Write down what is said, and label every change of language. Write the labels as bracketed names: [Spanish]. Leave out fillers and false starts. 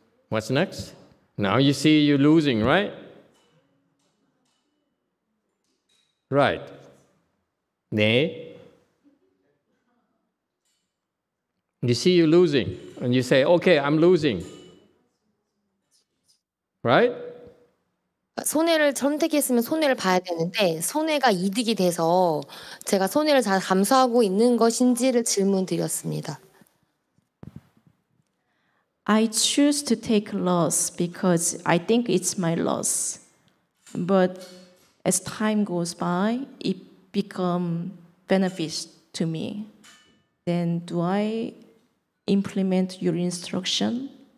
[English] What's next? Now you see you're losing, right? Right. Nay. You see you're losing, and you say, okay, I'm losing. Right? [Korean] 손해를 선택했으면 손해를 봐야 되는데 손해가 이득이 돼서 제가 손해를 잘 감수하고 있는 것인지를 질문드렸습니다. [English] I choose to take loss because I think it's my loss. But as time goes by, it becomes benefit to me. Then do I implement your instruction?